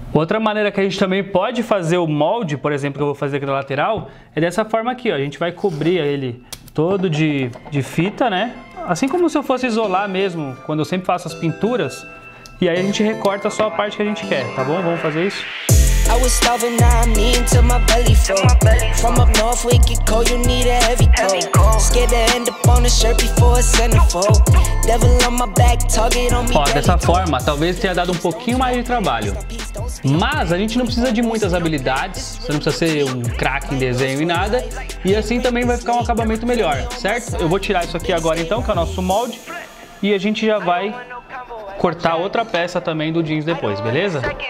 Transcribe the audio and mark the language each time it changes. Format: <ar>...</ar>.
<pt>Outra maneira que a gente também pode fazer o molde, por exemplo, que eu vou fazer aqui na lateral, é dessa forma aqui, ó. A gente vai cobrir ele todo de fita, né? Assim como se eu fosse isolar mesmo, quando eu sempre faço as pinturas. E aí a gente recorta só a parte que a gente quer, tá bom? Vamos fazer isso?</pt> <en>I was starving, now I'm mean to my belly full. From up north, we get cold, you need a heavy coat. Scared to end up on a shirt before a centerfold. Devil on my back, target on me.</en> <pt>Ó, dessa forma, talvez tenha dado um pouquinho mais de trabalho. Mas a gente não precisa de muitas habilidades, você não precisa ser um craque em desenho e nada. E assim também vai ficar um acabamento melhor, certo? Eu vou tirar isso aqui agora então, que é o nosso molde. E a gente já vai cortar outra peça também do jeans depois, beleza?</pt>